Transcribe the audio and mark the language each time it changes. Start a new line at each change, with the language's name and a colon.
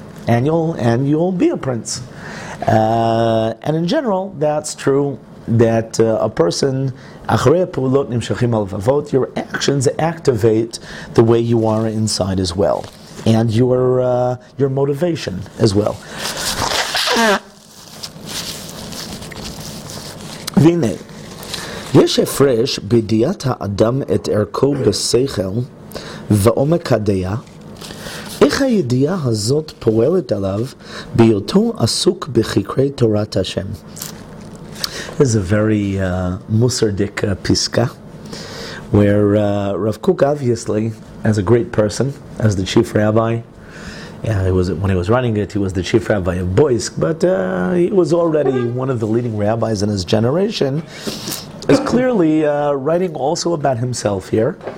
English: And you'll be a prince. And in general, that's true, that a person,
Hebrew: אחרי הפעולות נמשכים על ובות,
English: your actions activate the way you are inside as well. And your motivation as well.
Hebrew: והנה, יש הפרש בידיעת האדם את ערכו בשכל ועומק הדעה. איך הידיעה הזאת פועלת עליו ביותו עסוק בחקרי תורת השם?
English: This is a very Musardik piska, where Rav Kook, obviously, as a great person, as the chief rabbi, when he was running it, he was the chief rabbi of Boisk, but he was already one of the leading rabbis in his generation, is clearly writing also about himself here.